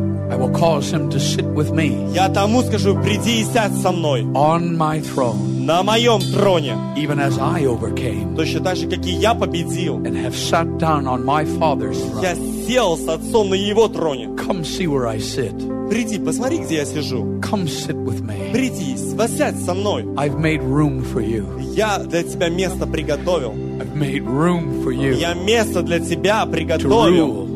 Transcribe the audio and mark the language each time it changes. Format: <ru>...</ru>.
<en>I will cause him to sit with me.</en> <ru>Я тому скажу, приди и сядь со мной.</ru> <en>On my throne.</en> <ru>На моем троне.</ru> <en>Even as I overcame.</en> <ru>Точно так же, как и я победил.</ru> <en>And have sat down on my father's throne.</en> <ru>Я сел с отцом на его троне.</ru> <en>Come see where I sit.</en> <ru>Приди, посмотри, где я сижу.</ru> <en>Come sit with me.</en> <ru>Приди, сядь со мной.</ru> <en>I've made room for you.</en> <ru>Я для тебя место приготовил.</ru> <en>I've made room for you.</en> <ru>Я место для тебя приготовил.</ru>